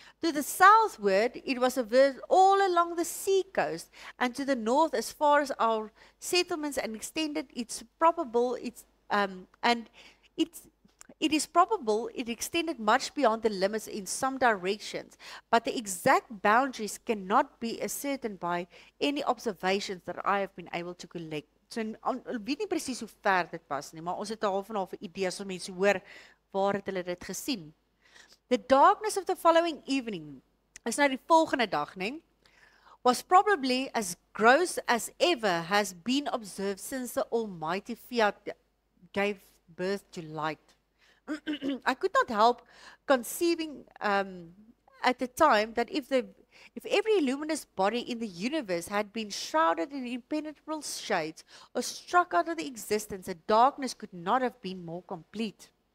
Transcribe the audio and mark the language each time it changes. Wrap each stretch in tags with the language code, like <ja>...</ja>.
<en>To the southward, it was observed all along the seacoast, and to the north as far as our settlements, and extended its probable, it is probable it extended much beyond the limits in some directions, but the exact boundaries cannot be ascertained by any observations that I have been able to collect.</en> <af>So, weet nie precies hoe ver dit was nie, maar ons het half en half ideas om mense hoor waar het hulle dit gesien.</af> <en>The darkness of the following evening,</en> <af>is nou die volgende dag, nie,</af> <en>was probably as gross as ever has been observed since the Almighty Fiat gave birth to light. I could not help conceiving at the time that if every luminous body in the universe had been shrouded in impenetrable shades or struck out of the existence, a darkness could not have been more complete.</en>